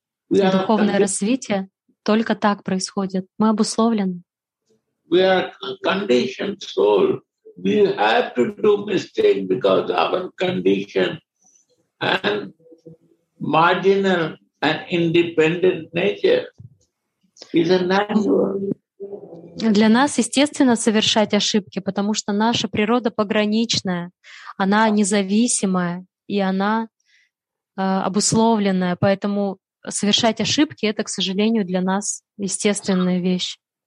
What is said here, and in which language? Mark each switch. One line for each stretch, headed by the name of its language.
Russian: Духовное развитие только так происходит. Мы обусловлены.
English: We are a conditioned soul. We have to do mistakes because our condition and marginal and independent nature is a natural.
Russian: Для нас естественно совершать ошибки, потому что наша природа пограничная, она независимая и она обусловленная, поэтому совершать ошибки — это, к сожалению, для нас естественная вещь.